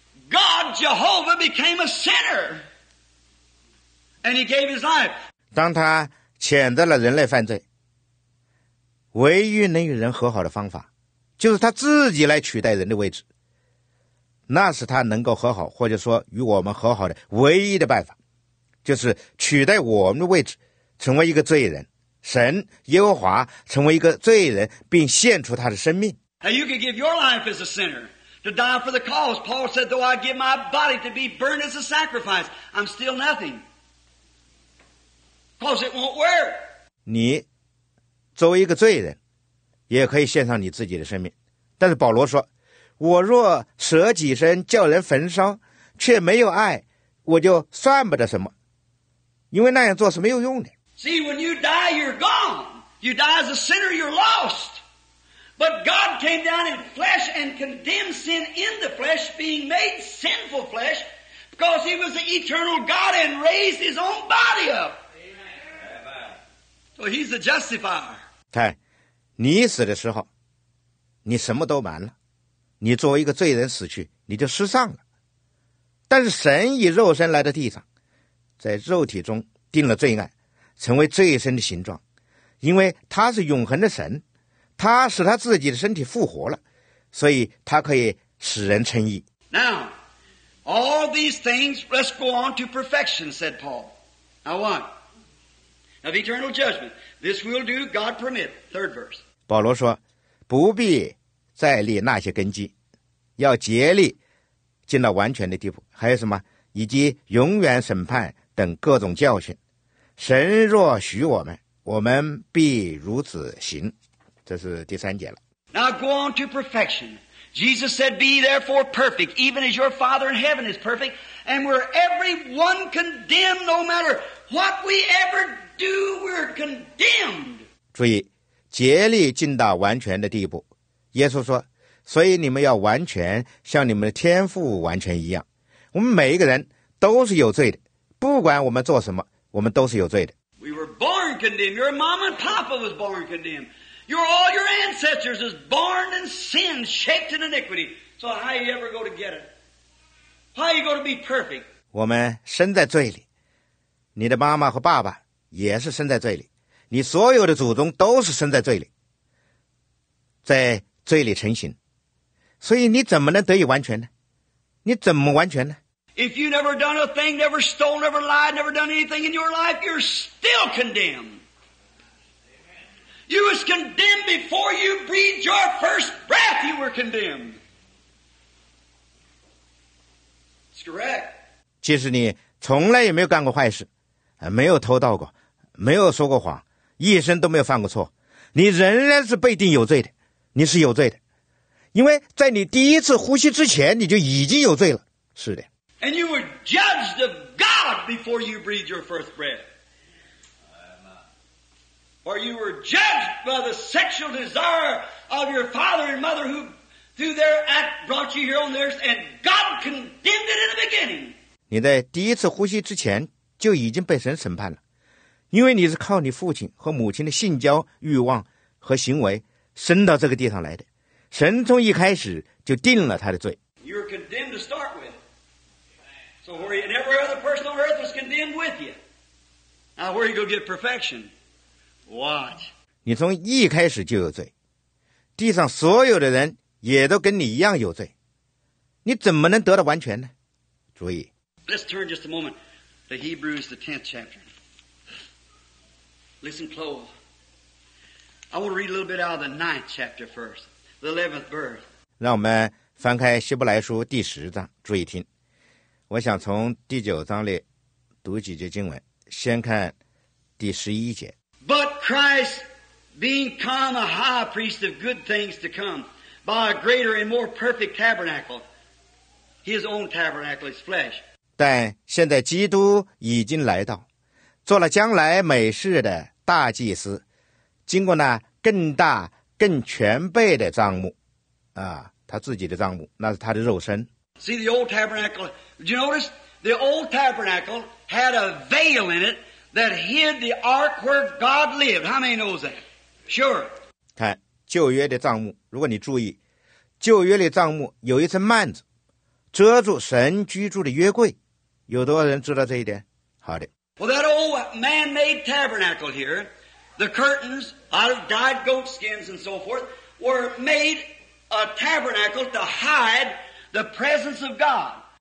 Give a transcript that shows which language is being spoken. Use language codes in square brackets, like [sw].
[en] God, Jehovah, became a sinner, and he gave his life. [zh] 当他谴责了人类犯罪，唯一能与人和好的方法就是他自己来取代人的位置，那是他能够和好，或者说与我们和好的唯一的办法，就是取代我们的位置，成为一个罪人，神耶和华成为一个罪人，并献出他的生命。 [en] Now you can give your life as a sinner to die for the cause. Paul said, though I give my body to be burned as a sacrifice, I'm still nothingBecause it won't work. [zh] 你作为一个罪人也可以献上你自己的生命，但是保罗说，我若舍己身叫人焚烧却没有爱，我就算不得什么，因为那样做是没有用的。 [en] See, when you die, you're gone. You die as a sinner, you're lost. But God came down in flesh and condemned sin in the flesh, being made sinful flesh, because he was the eternal God and raised his own body up. So he's the justifier. [zh] 看，你死的时候，你什么都完了，你作为一个罪人死去，你就失丧了。但是神以肉身来到地上，在肉体中定了罪案，成为罪身的形状，因为他是永恒的神，他使他自己的身体复活了，所以他可以使人称义。 [en] Now, all these things, let's go on to perfection, said Paul. Now what? Of eternal judgment, this will do, God permit. Third verse. [zh] 保罗说，不必再立那些根基，要竭力进到完全的地步。还有什么？以及永远审判等各种教训。神若许我们，我们必如此行。这是第三节了。 [en] Now go on to perfection. Jesus said, "Be therefore perfect, even as your Father in heaven is perfect." And we're everyone condemned, no matter what we ever. Do we're condemned? [zh] 注意，竭力进到完全的地步。耶稣说，所以你们要完全像你们的天父完全一样。我们每一个人都是有罪的，不管我们做什么，我们都是有罪的。 [en] We were born condemned. Your mom and papa was born condemned. All your ancestors was born in sin, shaped in iniquity. So how you ever go to get it? How you go to be perfect? [zh] 我们生在罪里，你的妈妈和爸爸也是生在罪里，你所有的祖宗都是生在罪里，在罪里成形，所以你怎么能得以完全呢？你怎么完全呢？ [en] If you never done a thing, never stole, never lied, never done anything in your life, you're still condemned. You was condemned before you breathed your first breath, you were condemned. It's correct. [zh] 即使你从来也没有干过坏事，没有偷盗过，没有说过谎，一生都没有犯过错，你仍然是被定有罪的，你是有罪的，因为在你第一次呼吸之前你就已经有罪了。是的。 [en] And you were judged of God before you breathed your first breath. Or you were judged by the sexual desire of your father and mother who through their act brought you here on the earth and God condemned it in the beginning. [zh] 你在第一次呼吸之前就已经被神审判了，因为你是靠你父亲和母亲的性交欲望和行为生到这个地上来的，神从一开始就定了他的罪。 [en] You were condemned to start with. So where you and every other person on earth was condemned with you. Now where you go get perfection? Watch. [zh] 你从一开始就有罪，地上所有的人也都跟你一样有罪，你怎么能得到完全呢？注意。 [en] Let's turn just a moment to Hebrews the 10th chapter. Listen close. I want to read a little bit out of the 9th chapter first. The 11th verse. [zh] 让我们翻开希伯来书第十章，注意听。我想从第九章里读几节经文，先看第十一节。 [en] But Christ being come a high priest of good things to come, by a greater and more perfect tabernacle, his own tabernacle is flesh. [zh] 但现在基督已经来到，做了将来美事的大祭司，经过那更大更全备的帐幕，啊，他自己的帐幕，那是他的肉身。 [en] See the old tabernacle. Did you notice the old tabernacle had a veil in it that hid the ark where God lived? How many knows that? Sure. [zh] 看旧约的帐幕，如果你注意，旧约的帐幕有一层幔子遮住神居住的约柜，有多少人知道这一点？好的。 [en] Well, that old man-made tabernacle here. The curtains out of dyed goat skins and so forth were made a tabernacle to hide the presence of God.